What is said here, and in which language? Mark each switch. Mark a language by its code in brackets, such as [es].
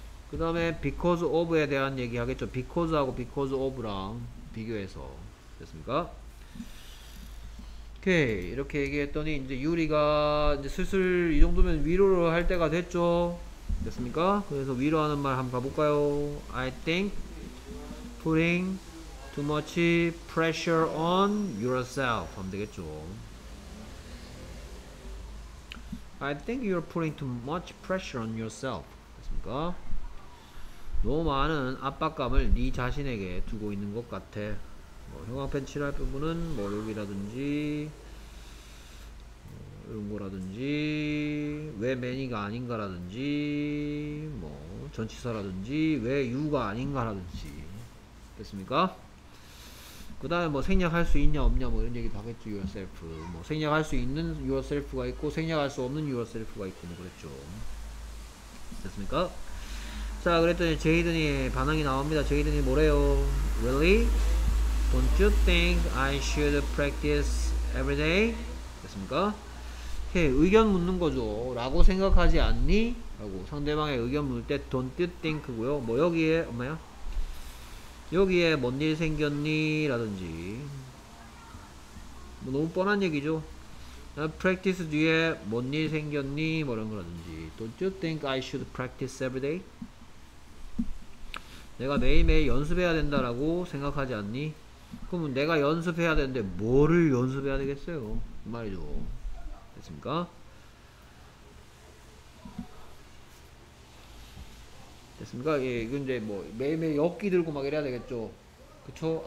[ko] 그 다음에 because of에 대한 얘기 하겠죠. because하고 because of랑 비교해서 됐습니까? 오케이. 이렇게 얘기했더니 이제 유리가 이제 슬슬 이 정도면 위로를 할 때가 됐죠. 됐습니까? 그래서 위로하는 말 한번 가볼까요? [en] I think putting too much pressure on yourself [ko] 하면 되겠죠. [en] I think you're putting too much pressure on yourself. [ko] 됐습니까? 너무 많은 압박감을 네 자신에게 두고 있는 것 같아. 뭐 형광펜 칠할 부분은 뭐 여기라든지 이런 거라든지 왜 매니가 아닌가라든지 뭐 전치사라든지 왜 유가 아닌가라든지 됐습니까? 그 다음에 뭐 생략할 수 있냐 없냐 뭐 이런 얘기도 하겠죠. yourself 뭐 생략할 수 있는 yourself가 있고 생략할 수 없는 yourself가 있고 뭐 그랬죠. 됐습니까? 자 그랬더니 제이든이 반응이 나옵니다. 제이든이 뭐래요? [en] Really? Don't you think I should practice every day? [ko] 됐습니까? 의견 묻는 거죠. 라고 생각하지 않니? 라고 상대방의 의견 묻을 때 [en] don't you think [ko] 고요. 뭐 여기에 엄마야? 여기에 뭔 일 생겼니? 라든지 뭐 너무 뻔한 얘기죠. practice 뒤에 뭔 일 생겼니? 뭐 이런 거라든지 [en] don't you think I should practice every day? [ko] 내가 매일매일 연습해야 된다라고 생각하지 않니? 그러면 내가 연습해야 되는데 뭐를 연습해야 되겠어요? 그 말이죠. 됐습니까? 됐습니까? 예, 이건 이제 뭐 매일매일 역기 들고 막 이래야 되겠죠. 그쵸?